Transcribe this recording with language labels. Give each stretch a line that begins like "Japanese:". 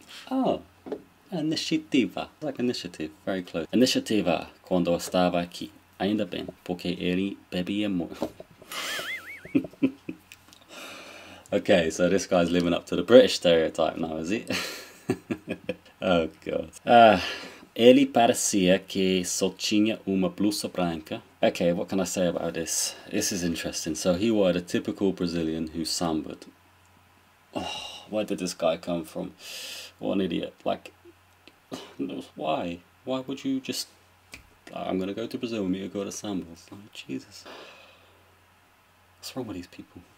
English: Oh, Initiativa. Like initiative, very close.
Portuguese: Initiativa, quando estava aqui. Ainda bem, porque ele bebia muito.
English: Okay, so this guy's living up to the British stereotype now, is he? Oh, God.
Portuguese: Ele parecia que só tinha uma blusa branca.
English: Okay, what can I say about this? This is interesting. So he was a typical Brazilian who sambaed. Oh, where did this guy come from? What an idiot. Like, why? Why would you just... I'm gonna go to Brazil and meet a girl that sambas. Like, Jesus. What's wrong with these people?